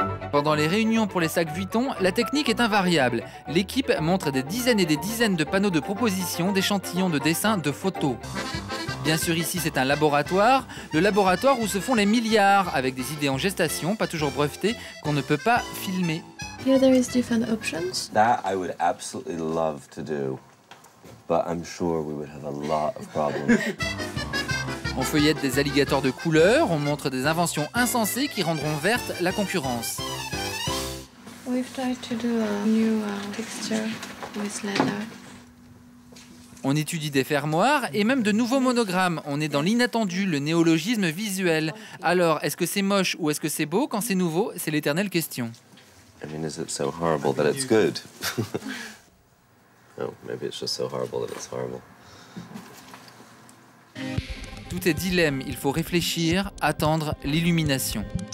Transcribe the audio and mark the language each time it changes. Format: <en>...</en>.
<fr>Pendant les réunions pour les sacs Vuitton, la technique est invariable. L'équipe montre des dizaines et des dizaines de panneaux de propositions, d'échantillons de dessins, de photos. Bien sûr, ici, c'est un laboratoire, le laboratoire où se font les milliards, avec des idées en gestation, pas toujours brevetées, qu'on ne peut pas filmer.</fr> <en>Here there is different options. That I would absolutely love to do, but I'm sure we would have a lot of problems.</en> <fr>On feuillette des alligators de couleur, on montre des inventions insensées qui rendront verte la concurrence.</fr> <en>We've tried to do a new texture with leather.</en> <fr>On étudie des fermoirs et même de nouveaux monogrammes. On est dans l'inattendu, le néologisme visuel. Alors, est-ce que c'est moche ou est-ce que c'est beau quand c'est nouveau? C'est l'éternelle question.</fr> <en>I mean, is it so horrible that it's good? Oh, maybe it's just so horrible that it's horrible.</en> <fr>Tout est dilemme, il faut réfléchir, attendre l'illumination.</fr>